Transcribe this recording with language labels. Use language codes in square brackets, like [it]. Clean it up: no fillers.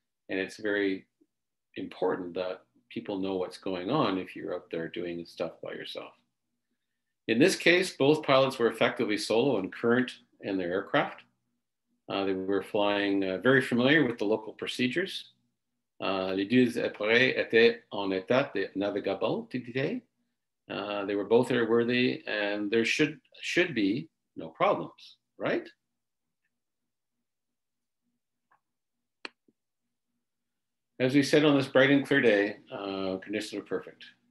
[en] And it's very important that people know what's going on if you're up there doing stuff by yourself. In this case, both pilots were effectively solo and current in their aircraft. They were flying very familiar with the local procedures. [fr] Les deux appareils étaient en état de navigabilité. [en] They were both airworthy, and there should be no problems, right? As we said on this bright and clear day, conditions are perfect.